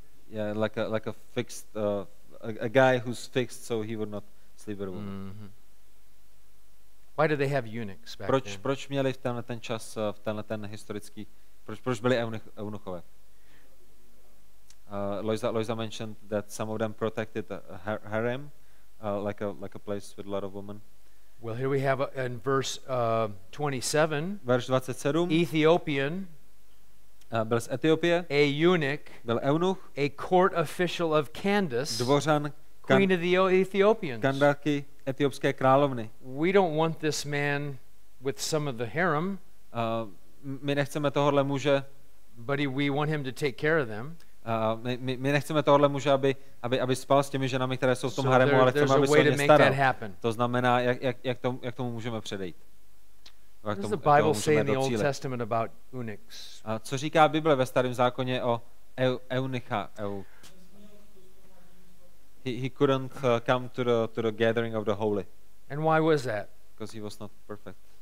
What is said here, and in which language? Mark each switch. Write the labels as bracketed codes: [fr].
[en] Yeah, like a fixed a guy who's fixed so he would not sleep with a woman. Mm-hmm. Why do they have eunuchs back [cs] proč, [en] then? [cs] Proč měli v tenhle ten čas v tenhle ten historický proč byli eunuchové? [en] Lojza mentioned that some of them protected the harem, like a place with a lot of women. Well, here we have in verse 27. [cs] Verš 27. [en] Ethiopian. [cs] Byl z Etiopie. [en] A eunuch. [cs] Byl eunuch. [en] A court official of Candace. [cs] Dvořan [en] queen of the Ethiopians. [cs] Kandaky etiopské královny. [en] We don't want this man with some of the harem. [cs] My nechceme tohohle muže. [en] But we want him to take care of them. [cs] My nechceme tohohle muže, aby spal s těmi ženami, které jsou v tom haremu, ale chceme, aby se o ně staral. To znamená, jak tomu můžeme předejít. [en] What does the Bible say in the Old Testament about eunuchs? [cs] A co říká Bible ve starém zákoně o eunucha? [en] He couldn't come to the gathering of the holy. And why was that? Because he was not perfect.